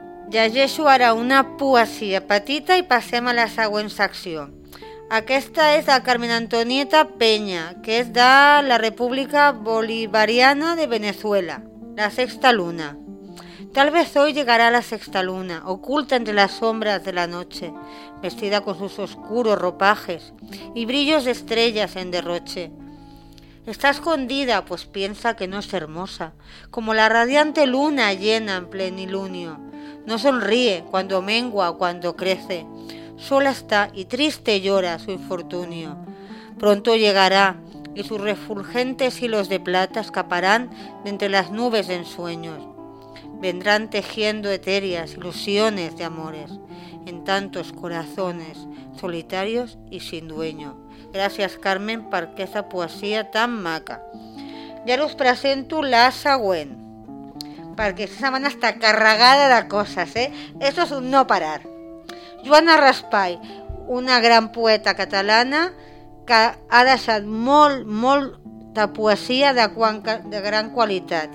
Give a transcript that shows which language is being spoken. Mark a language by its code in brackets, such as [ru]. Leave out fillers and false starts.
[ca] Llegeixo ara una poesia petita i passem a la següent secció. Aquesta és de Carmen Antonieta Peña, que és de la República Bolivariana de Venezuela, [es] la sexta luna. Tal vez hoy llegará la sexta luna, oculta entre las sombras de la noche, vestida con sus oscuros ropajes y brillos de estrellas en derroche. Está escondida, pues piensa que no es hermosa, como la radiante luna llena en plenilunio. No sonríe cuando mengua o cuando crece, sola está y triste llora su infortunio. Pronto llegará y sus refulgentes hilos de plata escaparán de entre las nubes de ensueños. Vendrán tejiendo etéreas ilusiones de amores en tantos corazones solitarios y sin dueño. [ca] Gracias, Carmen, per aquesta poesia tan maca. Ja us presento la següent, perquè aquesta setmana està carregada de coses, Això és un no parar. Joana Raspall, una gran poeta catalana que ha deixat molta poesia de gran qualitat.